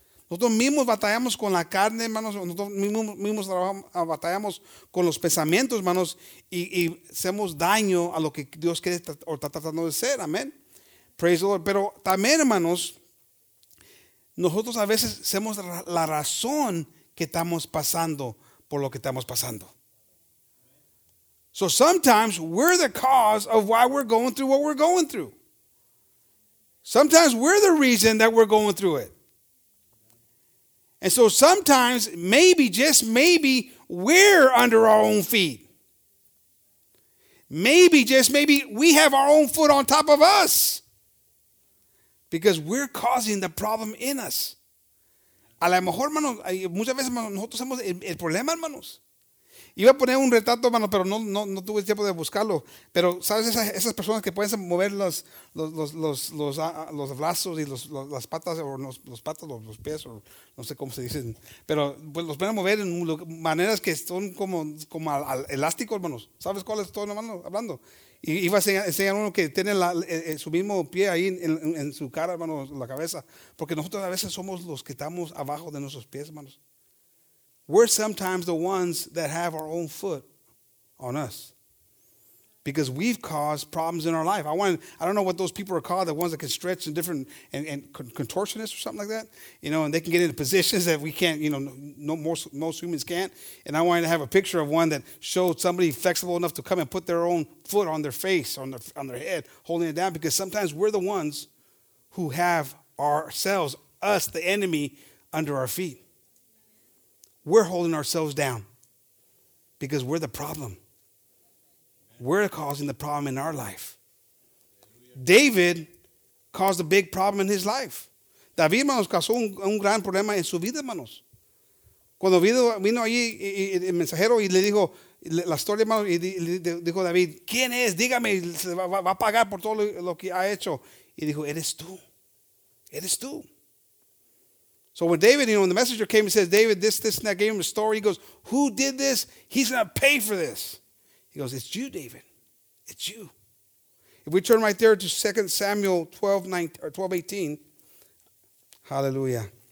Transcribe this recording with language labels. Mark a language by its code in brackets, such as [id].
[es] Nosotros mismos batallamos con la carne, hermanos. Nosotros mismos batallamos con los pensamientos, hermanos. Y hacemos daño a lo que Dios quiere o está tratando de ser. Amen. [en] Praise the Lord. [es] Pero también, hermanos, nosotros a veces somos la razón que estamos pasando por lo que estamos pasando. [en] So sometimes we're the cause of why we're going through what we're going through. Sometimes we're the reason that we're going through it. And so sometimes, maybe, just maybe, we're under our own feet. Maybe, just maybe, we have our own foot on top of us. Because we're causing the problem in us. [es] A lo mejor, hermanos, muchas veces nosotros somos el problema, hermanos. Iba a poner un retrato, hermanos, pero no tuve tiempo de buscarlo. Pero, ¿sabes? Esas personas que pueden mover los brazos y las patas, o los patas, los pies, o no sé cómo se dicen. Pero pues, los pueden mover en maneras que son como elásticos, hermanos. ¿Sabes cuál es todo, hermano, hablando? Y iba a enseñar uno que tiene su mismo pie ahí en su cara, hermano, la cabeza. Porque nosotros a veces somos los que estamos abajo de nuestros pies, hermanos. [en] We're sometimes the ones that have our own foot on us. Because we've caused problems in our life. I don't know what those people are called, the ones that can stretch in different, and contortionists or something like that. You know, and they can get into positions that we can't, you know, most humans can't. And I wanted to have a picture of one that showed somebody flexible enough to come and put their own foot on their face, on their head, holding it down. Because sometimes we're the ones who have ourselves, us, the enemy, under our feet. We're holding ourselves down because we're the problem. We're causing the problem in our life. David caused a big problem in his life. [es] David, hermanos, causó un gran problema en su vida, hermanos. Cuando vino allí el mensajero y le dijo la historia, hermanos, y le dijo David, ¿quién es? Dígame, se va a pagar por todo lo que ha hecho. Y dijo, eres tú. Eres tú. [en] So when David, you know, when the messenger came and says, David, this, and that, gave him a story. He goes, who did this? He's going to pay for this. He goes, it's you, David. It's you. If we turn right there to 2 Samuel 12, 19, or 12, 18. Hallelujah.